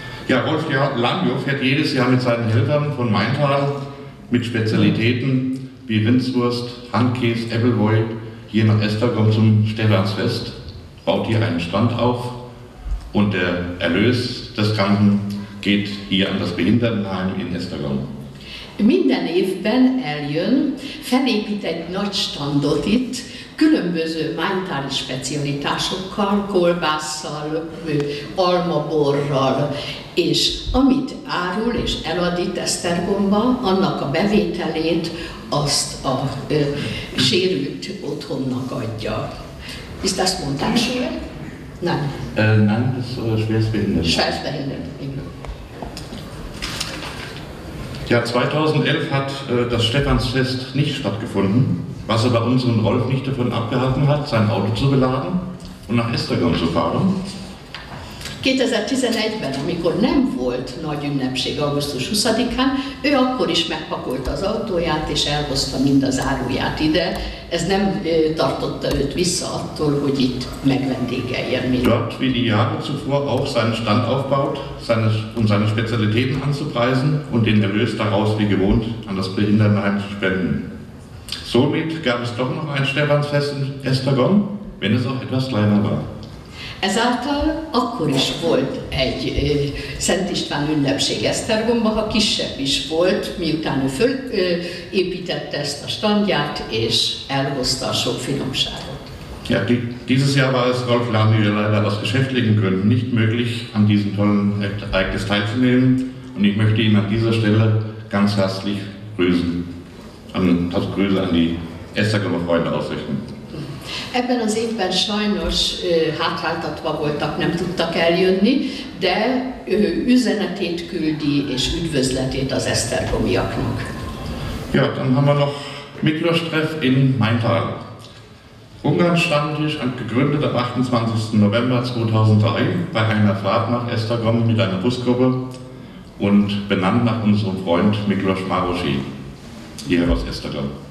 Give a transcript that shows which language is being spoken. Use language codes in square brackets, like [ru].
[de] Rolf Lamio fährt jedes Jahr mit seinen Helfern von Maintal mit Spezialitäten wie Rindswurst, Handkäse, Äppelwoi hier nach Esztergom zum Stephansfest, baut hier einen Stand auf und der Erlös des Kranken geht hier an das Behindertenheim in Esztergom. [hu] Minden évben eljön, felépít egy nagy standot itt, különböző maintali specialitásokkal, kolbásszal, almaborral, és amit árul és elad itt Esztergomban, annak a bevételét azt a sérült otthonnak adja. Ezt azt mondták soha? Nem. Nem, ez a schwerstbehindert. Schwerstbehindert, igen. [de] Ja, 2011 hat das Stephansfest nicht stattgefunden, was aber unseren Rolf nicht davon abgehalten hat, sein Auto zu beladen und nach Esztergom zu fahren. [hu] 2011-ben, amikor nem volt nagy ünnepség augusztus 20-án, ő akkor is megpakolta az autóját és elhozta mind az áruját ide. Ez nem tartotta őt vissza attól, hogy itt megvendégeljen mindent. [de] Dort, wie die Jahre zuvor, auch seinen Stand aufbaut, seine Spezialitäten anzupreisen und den Erlös daraus wie gewohnt an das Behindertenheim zu spenden. Somit gab es doch noch ein Stephansfest in Esztergom, wenn es auch etwas kleiner war. [hu] Ezáltal akkor is volt egy Szent István ünnepség Esztergomba, ha kisebb is volt, miután ő fölépítette ezt a standját, és elhozta a sok finomságot. [de] Ja, dieses Jahr war es Rolf Lahn, leider aus geschäftlichen Gründen nicht möglich, an diesem tollen Ereignis teilzunehmen. Und ich möchte ihn an dieser Stelle ganz herzlich grüßen. Das Grüße an die Esztergomer Freunde ausrichten. [hu] Ebben az évben sajnos hátráltatva voltak, nem tudtak eljönni, de üzenetét küldi és üdvözletét az esztergomiaknak. [de] Ja, dann haben wir noch Miklós-treff in Maintal. Ungarn-Stammtisch, gegründet am 28. November 2003 bei einer Fahrt nach Esztergom mit einer Busgruppe und benannt nach unserem Freund Miklós Marosi, hier aus Esztergom.